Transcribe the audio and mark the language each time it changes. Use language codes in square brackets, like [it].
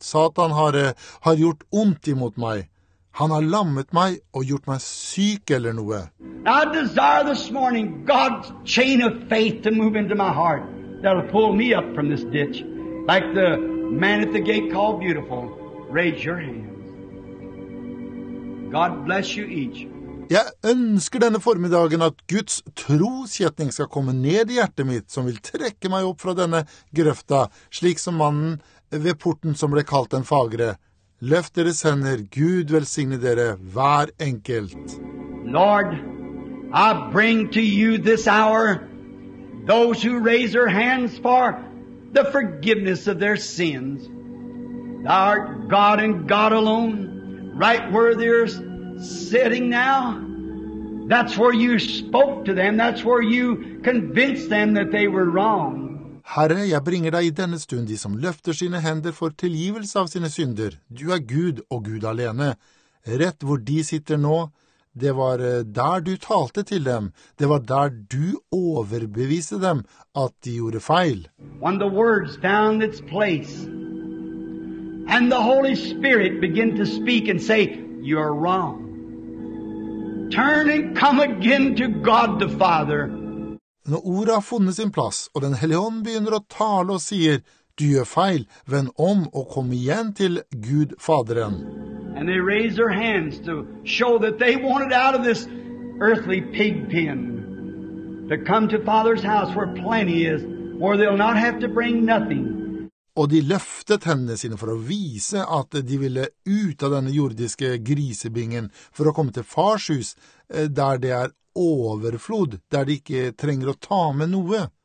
[no] Satan har gjort ondt imot meg. Han har lammet meg og gjort meg syk eller noe. [en] I desire this morning God's chain of faith to move into my heart that'll pull me up from this ditch. Like the man at the gate called beautiful, raise your hands. God bless you each. [no] Jeg ønsker denne formiddagen at Guds trosgjetning skal komme ned I hjertet mitt, som vil trekke meg opp fra denne grøfta, slik som mannen ved porten som ble kalt den fagre. Løft deres hender, Gud velsigne dere, hver enkelt. [en] Lord, I bring to you this hour those who raise their hands for the forgiveness of their sins. Thou art God and God alone, right where there's sitting now, that's where you spoke to them, that's where you convinced them that they were wrong. [no] Herre, jeg bringer deg I denne stund de som løfter sine hender for tilgivelse av sine synder. Du Gud og Gud alene. Rett hvor de sitter nå, det var der du talte til dem. Det var der du overbeviste dem at de gjorde feil. [en] When the words found its place and the Holy Spirit began to speak and say, you're wrong. Turn and come again to God the Father. [no] Når ordet har funnet sin plass, og den hellige ånd begynner å tale og sier, du gjør feil, vend om og kom igjen til Gud Faderen. [en] And they raise their hands to show that they wanted out of this earthly pig pen to come to Father's house where plenty is, where they'll not have to bring nothing. [no] Og de løftet hendene sine for å vise at de ville ut av denne jordiske grisebingen for å komme til fars hus, der det overflod, der de ikke trenger å ta med noe.